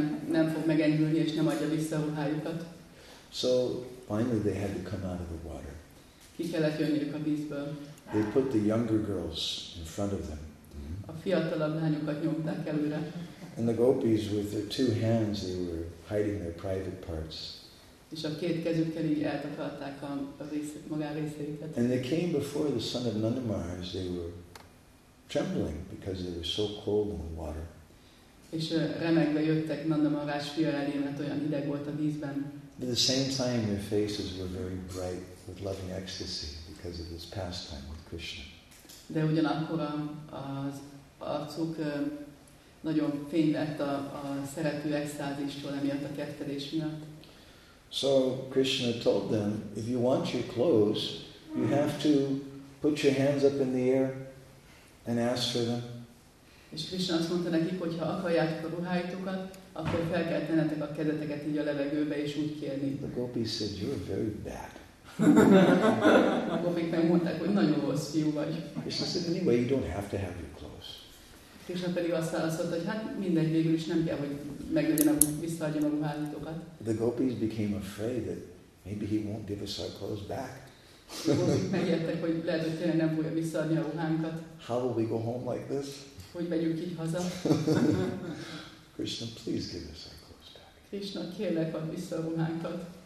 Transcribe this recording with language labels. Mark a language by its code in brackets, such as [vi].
[hu] Nem fog megengülni, és nem adja vissza a ruhájukat. [en] So finally they had to come out of the water. [hu] Ki kellett jönniük a vízből. [en] They put the younger girls in front of them. [hu] A fiatalabb lányokat nyomták előre. [en] And the gopis with their two hands, they were hiding their private parts. [hu] És a két kezükkel így eltakarták a magán részeiket. [en] And they came before the son of Nanda Maharaj, they were trembling because they were so cold in the water. [hu] És remegve jöttek Nanda Maharaj fia elé, mert olyan hideg volt a vízben. [en] At the same time, their faces were very bright with loving ecstasy because of this pastime with Krishna. [hu] De ugyanakkor az arcuk nagyon fény lett a szerető extázistól emiatt a kettelés miatt. [en] So Krishna told them, if you want your clothes, you have to put your hands up in the air and ask for them. [hu] És Krisna azt mondta nekik, hogy ha akarjátok a ruháitokat, akkor fel kell tennetek a kezeteket így a levegőbe és úgy kérni. [en] The gopis said, you're very bad. [hu] A gopik megmondták, hogy nagyon rossz fiú vagy. [en] Krisna said, anyway, you don't have to have your clothes. [hu] Krisna pedig azt válaszolta, hogy hát mindegy, végül is nem kell, hogy visszaadjam a ruháitokat. [en] The gopis became afraid that maybe he won't give us our clothes back. [hu] Megijedtek, hogy lehet, hogy tényleg nem fogja visszaadni a ruhánkat. [en] How will we go home like this? [hu] Hogy megyünk így haza? [en] Krishna, please give us our clothes back. [hu] Krishna, kérlek, add vissza a ruhánkat.